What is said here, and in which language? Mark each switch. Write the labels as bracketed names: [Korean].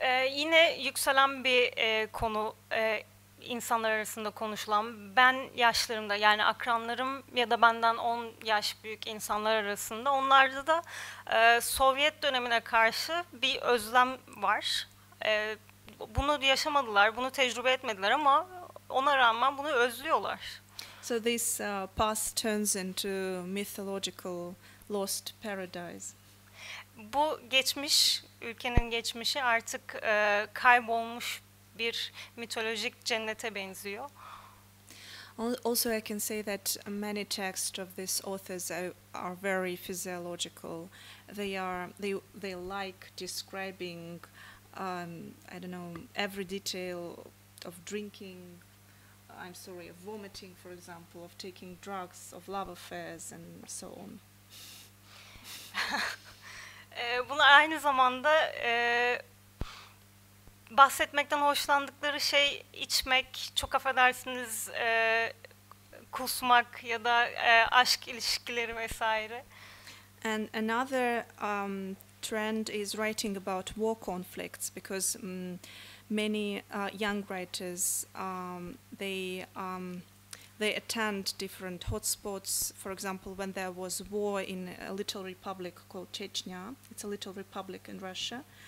[Turkish] Yine yükselen bir konu insanlar arasında konuşulan, ben yaşlarımda yani akranlarım ya da benden 10 yaş büyük insanlar arasında onlarda da Sovyet dönemine karşı bir özlem var. Bunu yaşamadılar, bunu tecrübe etmediler ama ona rağmen bunu özlüyorlar. [English] So this past turns into mythological lost paradise. [Turkish] Bu geçmiş, ülkenin geçmişi artık kaybolmuş bir mitolojik cennete benziyor. [English] Also I can say that many texts of these authors are very physiological. They like describing I don't know every detail of drinking, I'm sorry, of vomiting for example, of taking drugs, of love affairs and so on. [Turkish] Bunlar aynı zamanda bahsetmekten hoşlandıkları şey içmek, çok affedersiniz kusmak ya da aşk ilişkileri vesaire. [English] And another trend is writing about war conflicts because many young writers they attend different hotspots. For example, when there was war in a little republic called Chechnya, it's a little republic in Russia.